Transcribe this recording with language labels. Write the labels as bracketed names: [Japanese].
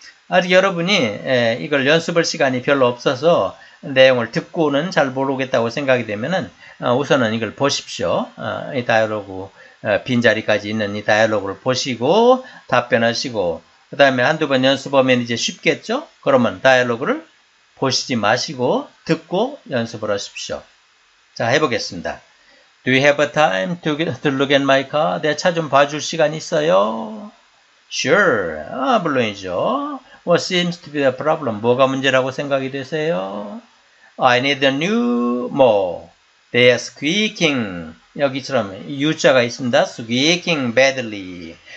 [Korean] 아직 여러분이 이걸 연습할 시간이 별로 없어서 내용을 듣고는 잘 모르겠다고 생각이 되면은 우선은 이걸 보십시오. 이 다이얼로그 빈자리까지 있는 이 다이얼로그를 보시고 답변하시고 그 다음에 한두 번 연습하면 이제 쉽겠죠? 그러면 다이얼로그를 보시지 마시고 듣고 연습을 하십시오. 자, 해보겠습니다. [English] Do you have a time to look at my car? [Korean] 내 차 좀 봐줄 시간 있어요? [English] Sure. [Korean] 아, 물론이죠. [English] What seems to be the problem? [Korean] 뭐가 문제라고 생각이 되세요? [English] I need a new mower. They are squeaking. [Korean] 여기처럼 U자가 있습니다. [English] squeaking badly.